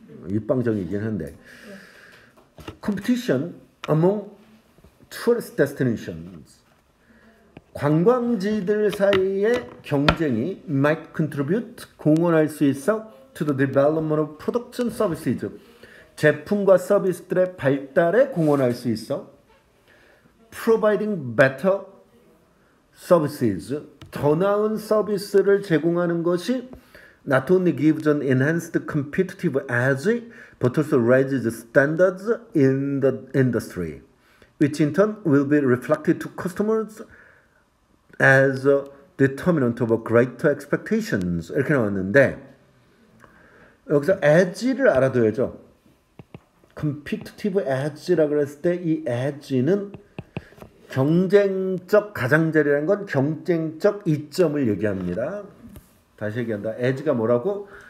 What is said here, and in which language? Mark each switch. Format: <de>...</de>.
<ko>입방정이긴 한데.</ko> <en>Competition among tourist destinations.</en> <ko>관광지들 사이의 경쟁이</ko> <en>might contribute,</en> <ko>공헌할 수 있어</ko> <en>to the development of production services.</en> <ko>제품과 서비스들의 발달에 공헌할 수 있어.</ko> <en>Providing better services.</en> <ko>더 나은 서비스를 제공하는 것이</ko> <en>not only gives an enhanced competitive edge, but also raises standards in the industry, which in turn will be reflected to customers as a determinant of a greater expectations.</en> <ko>이렇게 나왔는데, 여기서 edge를 알아둬야죠. competitive edge라고 그랬을 때 이 edge는 경쟁적 가장자리라는 건 경쟁적 이점을 얘기합니다. 다시 얘기한다. 에지가 뭐라고?</ko>